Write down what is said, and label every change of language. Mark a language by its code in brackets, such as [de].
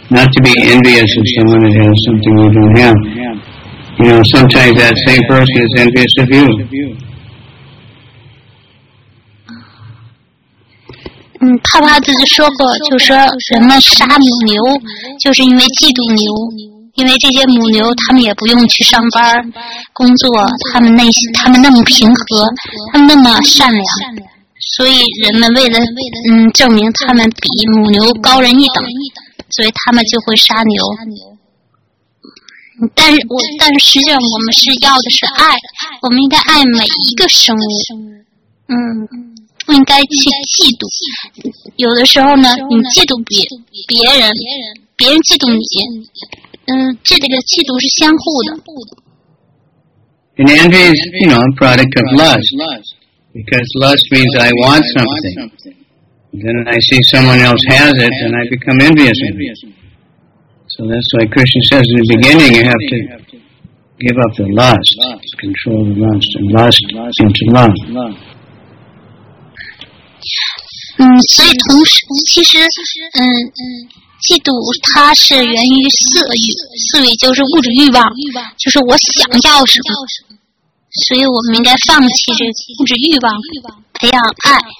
[en] Not to be envious of someone that has something you don't have. You know, sometimes that same person is envious of you. [zh] 帕帕自己说过，就说人们杀母牛就是因为嫉妒牛，因为这些母牛他们也不用去上班工作，他们那么平和，他们那么善良，所以人们为了证明他们比母牛高人一等，所以他们就会杀牛。但是实际上我们是要的是爱，我们应该爱每一个生物。不应该去嫉妒，有的时候呢，你嫉妒别人，别人嫉妒你，这个嫉妒是相互的。 [en] And envy is, you know, a product of lust, because lust means I want something. Then I see someone else has it, and I become envious of it. So that's why Krishna says in the beginning, you have to give up the lust, control the lust, and lust into love. [zh] 所以同时其实嫉妒它是源于色欲，色欲就是物质欲望，就是我想要什么，所以我们应该放弃这物质欲望，培养爱。